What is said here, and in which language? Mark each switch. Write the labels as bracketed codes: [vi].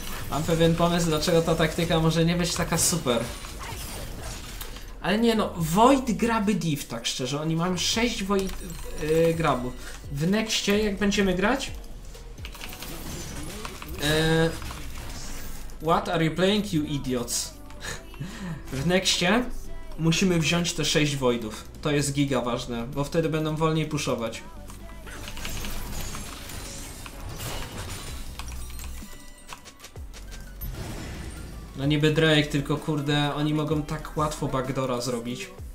[pl] mam pewien pomysł, dlaczego ta taktyka może nie być taka super. Ale nie no, Void Graby Div, tak szczerze. Oni mają 6 Void Grabów. W Nexcie, jak będziemy grać... [en] What are you playing, you idiots? [pl] W Nexcie... Musimy wziąć te 6 voidów. To jest giga ważne, bo wtedy będą wolniej pushować. No niby Drake, tylko kurde, oni mogą tak łatwo backdoora zrobić.